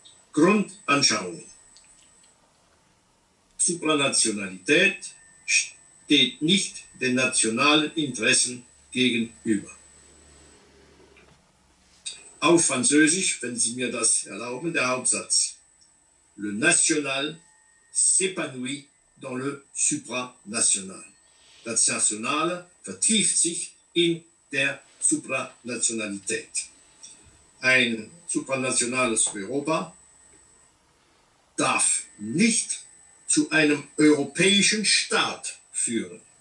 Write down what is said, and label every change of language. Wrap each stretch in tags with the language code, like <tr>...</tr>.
<de>Grundanschauung. Supranationalität steht nicht den nationalen Interessen gegenüber. Auf Französisch, wenn Sie mir das erlauben, der Hauptsatz.</de> <fr>Le national s'épanouit dans le supranational.</fr> <de>Das Nationale vertieft sich in der Supranationalität. Ein supranationales Europa darf nicht zu einem europäischen Staat führen.</de>